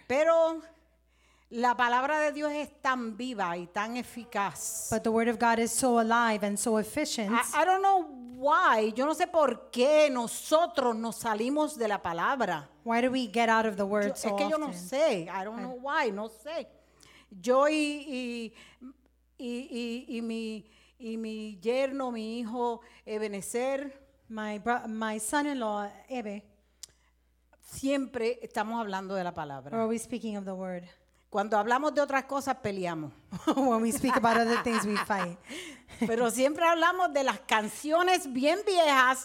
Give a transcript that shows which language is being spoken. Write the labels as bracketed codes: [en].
[es] Pero la palabra de Dios es tan viva y tan eficaz. [en] But the word of God is so alive and so efficient. I don't know why. [es] Yo no sé por qué nosotros nos salimos de la palabra. [en] Why do we get out of the word so often? [es] Es que [en] often? [es] Yo no sé. [en] I don't know why. [es] No sé. Yo y mi yerno, mi hijo Ebenezer, [en] my son-in-law Ebe, [es] siempre estamos hablando de la palabra. [en] We're always speaking of the word. [es] Cuando hablamos de otras cosas, peleamos. [en] When we speak about other things, we fight. [es] Pero siempre hablamos de las canciones bien viejas.